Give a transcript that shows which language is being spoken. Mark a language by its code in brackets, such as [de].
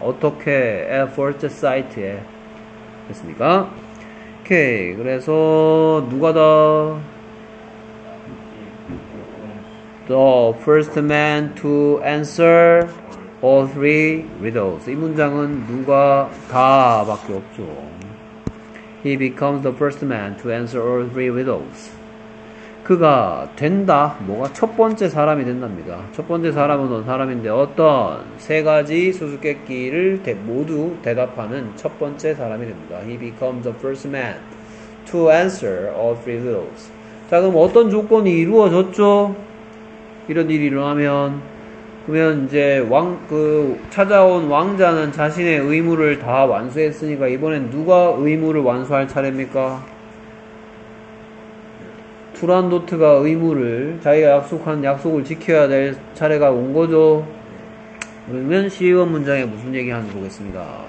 [ko] 어떻게? [en] At first sight [ko] 에. 됐습니까? 오케이. 그래서 누가 [en] the first man to answer all three riddles. [ko] 이 문장은 누가 다밖에 없죠. [en] He becomes the first man to answer all three riddles. [ko] 그가 된다. 뭐가 첫 번째 사람이 된답니다. 첫 번째 사람은 어떤 사람인데 어떤 세 가지 수수께끼를 모두 대답하는 첫 번째 사람이 됩니다. [en] He becomes the first man to answer all three riddles. [ko] 자, 그럼 어떤 조건이 이루어졌죠? 이런 일이 일어나면 그러면 이제 찾아온 왕자는 자신의 의무를 다 완수했으니까 이번엔 누가 의무를 완수할 차례입니까? 투란도트가 의무를 자기가 약속을 지켜야 될 차례가 온 거죠. 그러면 12번 문장에 무슨 얘기하는지 보겠습니다.